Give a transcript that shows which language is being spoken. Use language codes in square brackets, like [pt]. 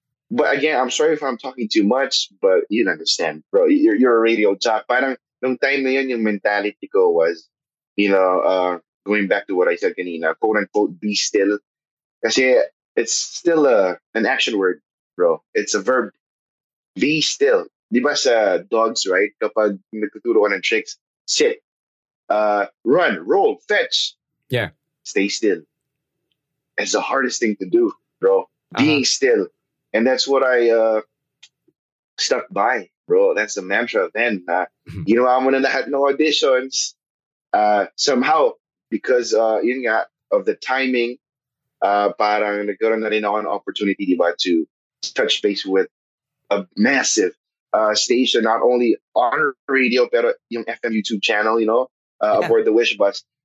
[en] But again, I'm sorry if I'm talking too much, but you understand, bro. You're a radio jock. [tl] Parang, nung time na yun, yung [en] mentality ko was, going back to what I said kanina, quote unquote, be still. [tl] Kasi [en] it's still an action word, bro. It's a verb. Be still. [tl] Di ba sa [en] dogs, right? [tl] Kapag nagtuturo ka ng tricks, sit. [en] Run, roll, fetch. Yeah. Stay still. It's the hardest thing to do, bro. Being still. And that's what I stuck by. bro. That's the mantra. Then, you know, I'm one of the had no auditions. Somehow, because you know, of the timing, but I'm gonna go to an opportunity to touch base with a massive station, not only on radio, but on FM YouTube channel, you know, yeah. Aboard the Wish Bus.